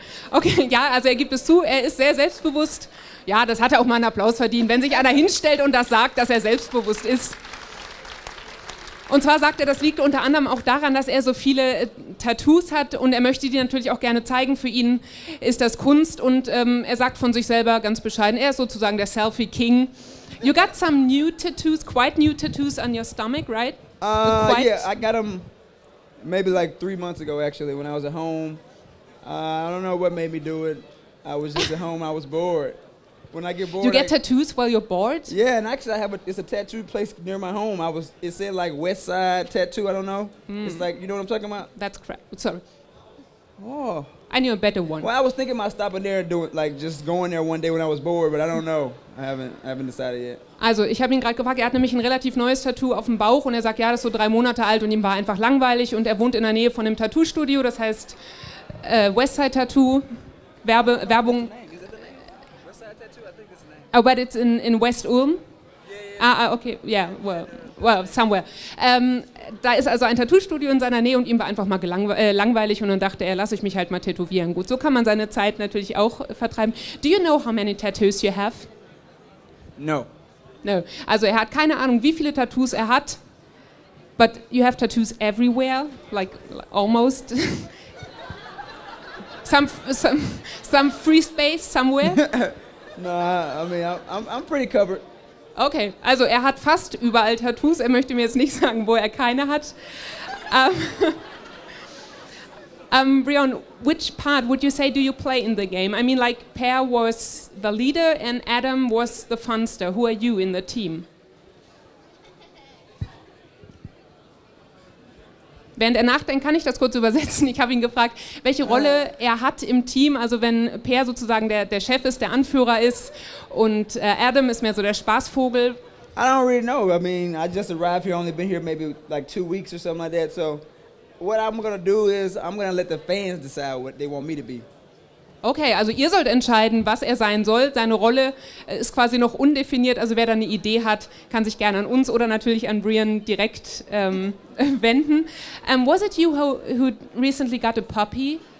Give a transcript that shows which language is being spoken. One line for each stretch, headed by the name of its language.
German: Okay, ja, also er gibt es zu, er ist sehr selbstbewusst. Ja, das hat er auch mal einen Applaus verdient, wenn sich einer hinstellt und das sagt, dass er selbstbewusst ist. Und zwar sagt er, das liegt unter anderem auch daran, dass er so viele Tattoos hat und er möchte die natürlich auch gerne zeigen. Für ihn ist das Kunst und er sagt von sich selber ganz bescheiden, er ist sozusagen der Selfie King.
English: You got some new tattoos, quite new tattoos on your stomach, right? I got them maybe like 3 months ago actually when I was at home. I don't know what made me do it. I was just at home, I was bored. When I get bored, you get tattoos while you're bored? Yeah, and actually I have it's a tattoo place near my home. It said like West Side Tattoo, I don't know. Mm. It's like, you know what I'm talking about? That's crap. Sorry. Oh. I knew a better one. Well, I was thinking about stopping there and doing like just going there one day when I was bored, but I don't know. I haven't decided yet.
German: Also, ich habe ihn gerade gefragt, er hat nämlich ein relativ neues Tattoo auf dem Bauch und er sagt, ja, das ist so 3 Monate alt und ihm war einfach langweilig und er wohnt in der Nähe von einem Tattoo Studio, das heißt West Side Tattoo. Werbung.
English: Oh, but it's in West Ulm? Yeah, yeah. Well, somewhere.
German: Da ist also ein Tattoo-Studio in seiner Nähe und ihm war einfach mal langweilig und dann dachte er, lass ich mich halt mal tätowieren. Gut, so kann man seine Zeit natürlich auch vertreiben.
English: Do you know how many tattoos you have? No.
German: No. Also er hat keine Ahnung, wie viele Tattoos er hat,
English: but you have tattoos everywhere, like almost. some free space somewhere. I'm pretty covered.
German: Okay, also er hat fast überall Tattoos. Er möchte mir jetzt nicht sagen, wo er keine hat.
English: Brian, which part would you say do you play in the game? I mean, like, Pear was the leader and Adam was the funster. Who are you in the team?
German: Während er nachdenkt, kann ich das kurz übersetzen. Ich habe ihn gefragt, welche Rolle er hat im Team, also wenn Per sozusagen der Chef ist, der Anführer ist und Adam ist mehr so der Spaßvogel.
English: I don't really know. I mean, I just arrived here, only been here maybe like 2 weeks or something like that. So what I'm going to do is I'm going to let the fans decide what they want me to be.
German: Okay, also ihr sollt entscheiden, was er sein soll. Seine Rolle ist quasi noch undefiniert. Also wer da eine Idee hat, kann sich gerne an uns oder natürlich an Brian direkt wenden.
English: Was it you who recently got a puppy?